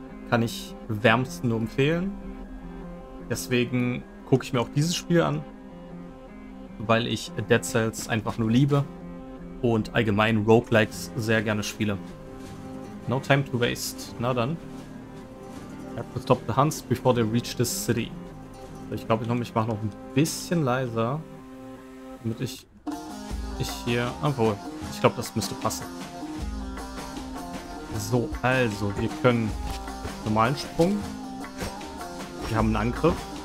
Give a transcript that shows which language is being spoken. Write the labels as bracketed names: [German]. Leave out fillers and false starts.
[German] Kann ich wärmstens nur empfehlen. Deswegen gucke ich mir auch dieses Spiel an, weil ich Dead Cells einfach nur liebe und allgemein Roguelikes sehr gerne spiele. [English] No time to waste. [German] Na dann. [English] I have to stop the Huns before they reach this city. [German] Ich glaube, ich mache noch ein bisschen leiser, damit ich hier, obwohl, ich glaube, das müsste passen. So, also, wir können normalen Sprung. Wir haben einen Angriff.